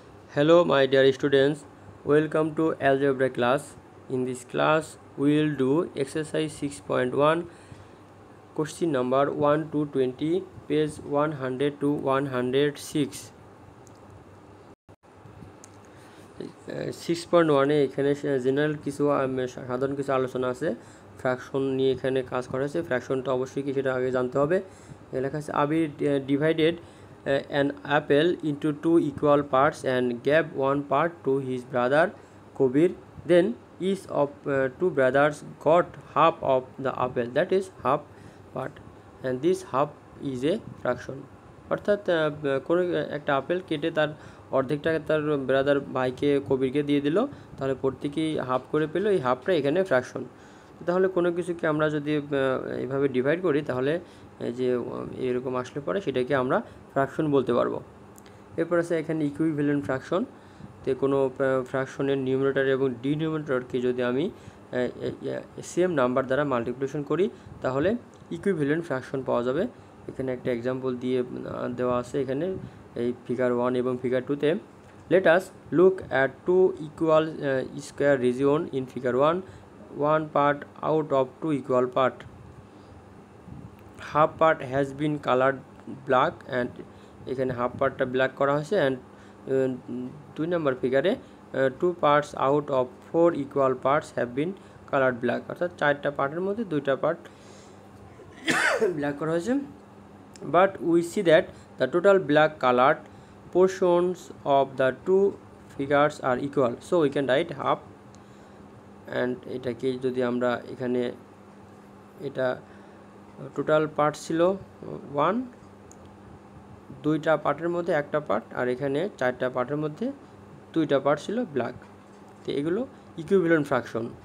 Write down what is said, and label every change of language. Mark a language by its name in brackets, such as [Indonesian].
[English] Hello my dear students, welcome to algebra class. In this class we will do exercise 6.1, question number 1 to 20, page 100 to 106. [Bangla] 6.1 এ এখানে general কিছু সাধারণ কিছু আলোচনা আছে fraction নিয়ে এখানে কাজ করা হয়েছে ফ্র্যাকশনটা অবশ্যই কি সেটা আগে জানতে হবে লেখা আছে আবি [English] Divided an apple into two equal parts and gave one part to his brother Kobir. Then each of two brothers got half of the apple, that is half part, and this half is a fraction. [Bangla] অর্থাৎ কোনো একটা apple কেটে তার অর্ধেকটাকে তার brother ভাইকে কবিরকে দিয়ে দিল, তাহলে প্রত্যেকেই হাফ করে পেলো, এই হাফটা এখানে ফ্র্যাকশন। তাহলে কোনো কিছুকে আমরা যদি এইভাবে ডিভাইড করি তাহলে যে এরকম আসলে পরে সেটাকে আমরা ফ্র্যাকশন বলতে পারবো। এরপর আছে এখানে ইকুইভ্যালেন্ট ফ্র্যাকশন, তো কোনো ফ্র্যাকশনের নিউমারেটর এবং ডিনোমিনেটরকে যদি আমি সেম নাম্বার দ্বারা মাল্টিপ্লিকেশন করি তাহলে ইকুইভ্যালেন্ট ফ্র্যাকশন পাওয়া যাবে। এখানে একটা এক্সাম্পল দিয়ে দেওয়া আছে এখানে এই ফিগার 1 এবং ফিগার 2 তে। [English] let us look at two equal square region in figure 1, one part out of two equal part, half part has been coloured black, and [Bangla] এখানে হাফ পার্টটা ব্ল্যাক করা হয়েছে। অ্যান্ড দুই নম্বর ফিগারে [English] two parts out of four equal parts have been coloured black, [Bangla] অর্থাৎ চারটা পার্টের মধ্যে দুইটা পার্ট ব্ল্যাক করা হয়েছে। [English] But we see that the total black colored portions of the two figures are equal, so we can write half. [Bangla] And এটাকে যদি আমরা এখানে এটা টোটাল পার্ট ছিল 1, দুইটা পার্টের মধ্যে একটা পার্ট, আর এখানে চারটা পার্টের মধ্যে দুইটা পার্ট ছিল ব্ল্যাক, তো এগুলো ইকুইভ্যালেন্ট ফ্র্যাকশন।